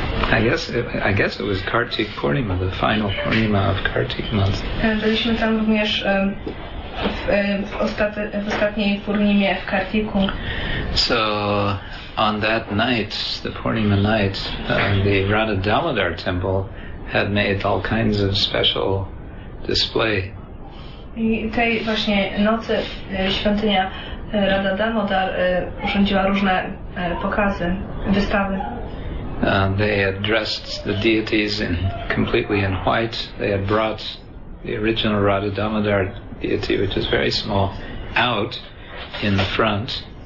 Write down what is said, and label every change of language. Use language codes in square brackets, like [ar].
[en] I guess it was Kartik Purnima, the final Purnima of Kartik month. [pl] Byliśmy tam również w ostatniej Purnimie w Kartiku. [en] So on that night, the Purnima night, the Radha Damodar temple had made all kinds of special display. [pl] I tej właśnie nocy świątynia Radha Damodar urządziła różne pokazy, wystawy. [en] They had dressed the deities in completely in white. They had brought the original Radha Damodar deity, which is very small, out in the front.